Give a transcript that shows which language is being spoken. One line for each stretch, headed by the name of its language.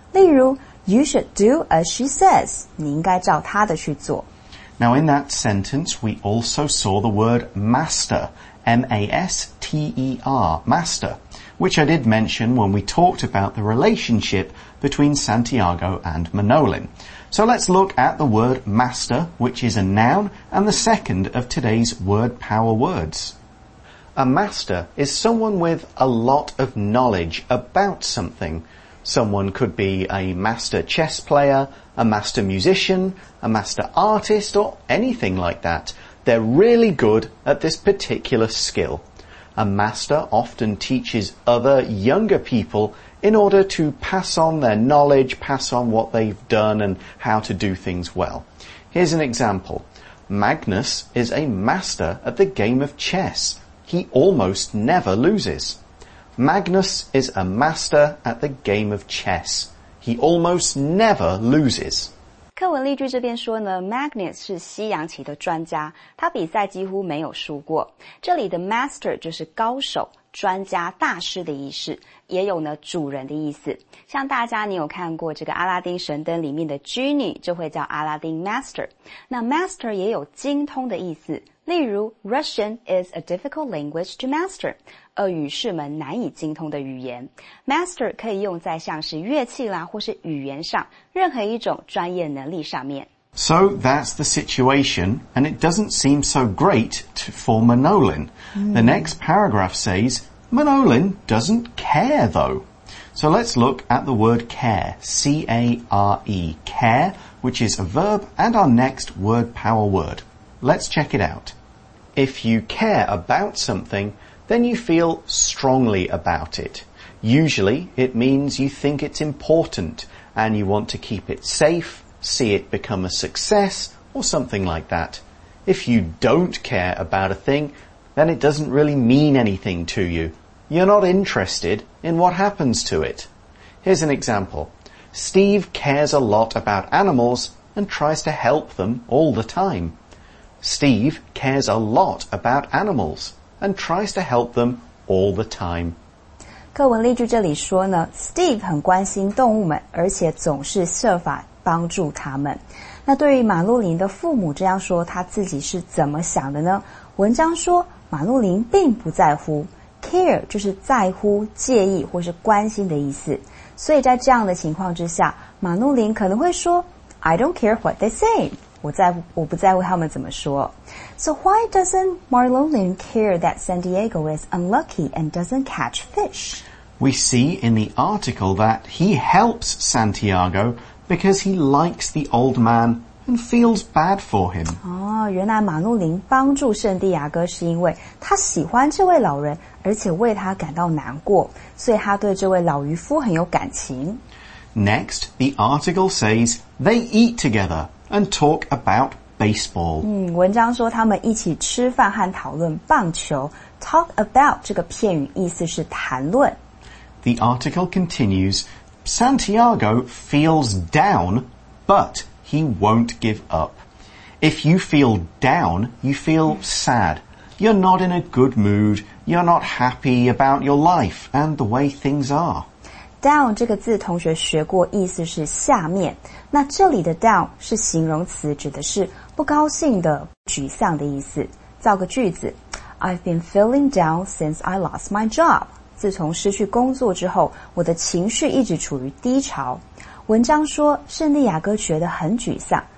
Chinese: 例如
English: You should do as she says，
Chinese: 你应该照她的去做。
English: Now in that sentence we also saw the word master, M-A-S-T-E-R, master, which I did mention when we talked about the relationship between Santiago and Manolin. So let's look at the word master, which is a noun and the second of today's word power words. A master is someone with a lot of knowledge about something. Someone could be a master chess player, a master musician, a master artist, or anything like that. They're really good at this particular skill. A master often teaches other younger people in order to pass on their knowledge, pass on what they've done and how to do things well. Here's an example. Magnus is a master at the game of chess. He almost never loses. Magnus is a master at the game of chess. He almost never loses.
Chinese: 课文例句这边说呢， Magnus 是西洋棋的专家，他比赛几乎没有输过。这里的 master 就是高手、专家、大师的意思，也有呢主人的意思。像大家你有看过这个阿拉丁神灯里面的 genie 就会叫阿拉丁 master。那 master 也有精通的意思，例如
English: Russian is a difficult language to master，
Chinese: 俄语是门难以精通的语言。 Master 可以用在像是乐器啦或是语言上，任何一种专业能力上面。
English: So that's the situation, and it doesn't seem so great for Manolin. The next paragraph says, Manolin doesn't care though. So let's look at the word care, C-A-R-E, care, which is a verb and our next word power word. Let's check it out. If you care about something, then you feel strongly about it. Usually, it means you think it's important and you want to keep it safe, see it become a success, or something like that. If you don't care about a thing, then it doesn't really mean anything to you. You're not interested in what happens to it. Here's an example. Steve cares a lot about animals and tries to help them all the time. Steve cares a lot about animals and tries to help them all the time.
Chinese: 课文例句这里说呢， Steve 很关心动物们，而且总是设法帮助他们。那对于马路林的父母这样说，他自己是怎么想的呢？文章说马路林并不在乎， care 就是在乎、介意或是关心的意思。所以在这样的情况之下，马路林可能会说
English: I don't care what they say.
Chinese: 我不在乎他们怎么说。
English: So why doesn't Manolin care that San Diego is unlucky and doesn't catch fish? We see in the article that he helps Santiago because he likes the old man and feels bad for him. 原来马路林帮助圣地亚哥是因为他喜欢这位老人，而且为他感到难过，所以他对这位老渔夫很有感情。 Next, the article says they eat togetherand talk about baseball.
Chinese: 文章说他们一起吃饭和讨论棒球。 Talk about 这个片语意思是谈论。
English: The article continues, Santiago feels down, but he won't give up. If you feel down, you feel sad. You're not in a good mood. You're not happy about your life and the way things are.
Chinese: Down 这个字同学学过，意思是下面。那这里的 down 是形容词，指的是不高兴的、沮丧的意思。造个句子，
English: I've been feeling down since I lost my job.
Chinese: 自从失去工作之后，我的情绪一直处于低潮。文章说圣地亚哥觉得很沮丧，